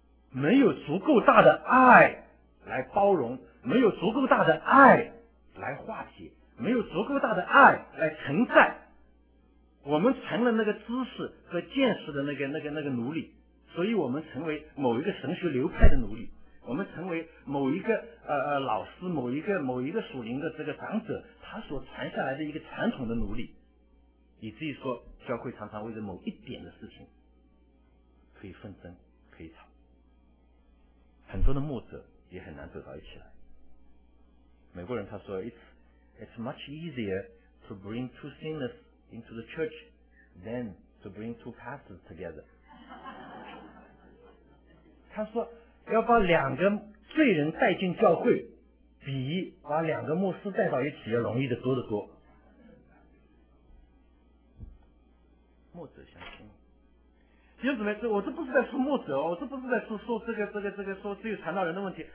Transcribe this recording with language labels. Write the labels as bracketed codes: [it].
[zh] 没有足够大的爱来包容，没有足够大的爱来化解，没有足够大的爱来承载，我们成了那个知识和见识的那个奴隶，所以我们成为某一个神学流派的奴隶，我们成为某一个老师，某一个属灵的这个长者他所传下来的一个传统的奴隶，以至于说教会常常为着某一点的事情可以纷争，可以吵，很多的牧者也很难走到一起来。美国人他说 [en] It's much easier to bring two sinners into the church than to bring two pastors together。 [zh] 他说要把两个罪人带进教会比把两个牧师带到一起要容易的多得多。牧者相信弟兄姊妹，我这不是在说牧者，我这不是在说这个说只有传道人的问题。